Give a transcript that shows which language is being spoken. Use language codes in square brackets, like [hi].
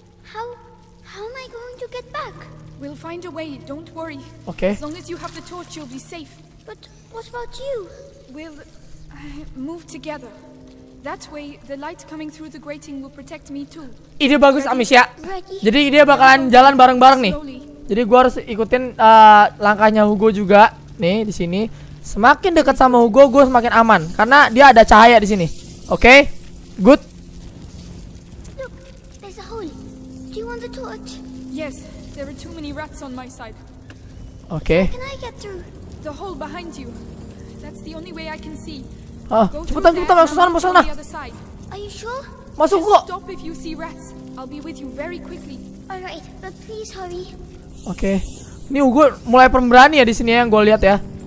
[en] How am I going to get back? We'll find a way. Don't worry. Okay. As long as you have the torch, you'll be safe. But what about you? We'll move together. That way, the light coming through the grating will protect me too. [id] Ide bagus, Amicia. Jadi dia bakalan jalan bareng-bareng nih. Jadi gua harus ikutin langkahnya Hugo juga. Nih di sini. Semakin dekat sama Hugo, gua semakin aman. Karena dia ada cahaya di sini. [en] Okay. Good. Look, there's a hole. Do you want the torch? Yes, there are too many rats on my side. Okay. How can I get through? The hole behind you. That's the only way I can see. [id] Cepetan, masuk sana. [en] Are you sure? [id] Masuk kok. [en] Just stop if you see rats. I'll be with you very quickly. All right, but please hurry. Okay. [id] Ini Hugo mulai pemberani ya di sini ya, yang gue lihat ya.